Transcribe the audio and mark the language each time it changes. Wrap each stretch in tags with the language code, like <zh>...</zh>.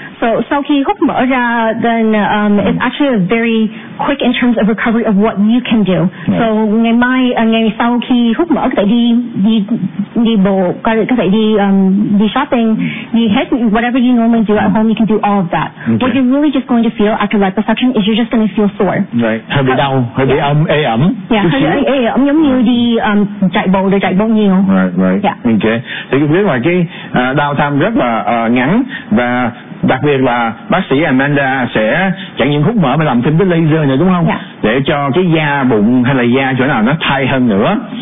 <en>So</en> <vi>sau khi hút mỡ ra,</vi> <en>then it's actually a very quick in terms of recovery of what you can do.</en> <vi>So ngày mai, ngày sau khi hút mỡ, có thể đi bộ, có thể đi shopping, đi hết,</vi> <en>whatever you normally do at home, you can do all of that. Okay. What you're really just going to feel after liposuction is you're just going to feel sore.</en> <vi>Right. Hơi bị đau, hơi bị ấm, ê ấm. Yeah, hơi ê ấm, giống như đi chạy bộ nhiều.</vi> <en>Right. Yeah.</en> <vi>Okay. Thì biết ngoài cái đau tham rất là ngắn, và đặc biệt là bác sĩ Amanda sẽ chặn những khúc mỡ mà làm thêm cái laser này đúng không? Để cho cái da bụng hay là da chỗ nào nó thay hơn nữa.</vi>